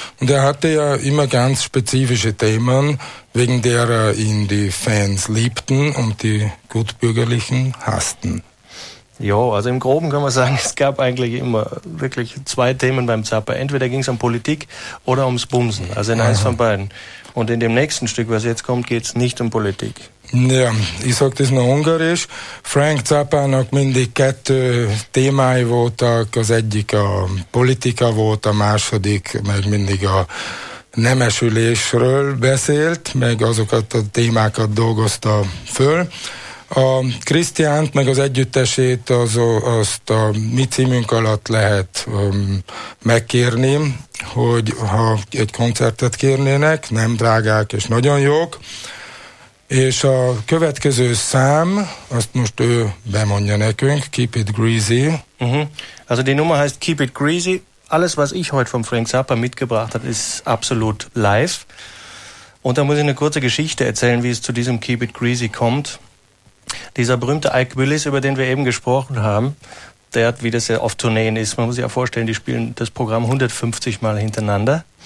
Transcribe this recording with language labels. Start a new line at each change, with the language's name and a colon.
German: Und er hatte ja immer ganz spezifische Themen, wegen derer ihn die Fans liebten und die Gutbürgerlichen hassten. Ja, also im Groben kann man sagen, es gab eigentlich immer wirklich zwei Themen beim Zappa. Entweder ging es um Politik oder ums Bumsen, also in eins von beiden. Und in dem nächsten Stück, was jetzt kommt, geht's nicht um Politik. Ja, ich sag das noch ungarisch.
Hungarian: Frank Zappa noch mindi kettő témáj volt, az egyik a politika volt, a második, meg mindig a nemesülésről beszélt, meg azokat a témákat dolgozta föl. A Krisztiánt, meg az együttesét azt a mi címünk alatt lehet megkérni, hogy ha egy koncertet kérnének, nem drágák és nagyon jók. És a következő szám, azt most ő bemondja nekünk, Keep It Greasy.
German: Also die Nummer heißt Keep It Greasy. Alles, was ich heute von Frank Zappa mitgebracht habe, ist absolut live. Und da muss ich eine kurze Geschichte erzählen, wie es zu diesem Keep It Greasy kommt. Dieser berühmte Ike Willis, über den wir eben gesprochen haben, der hat, wie das ja auf Tourneen ist, man muss sich ja vorstellen, die spielen das Programm 150 Mal hintereinander.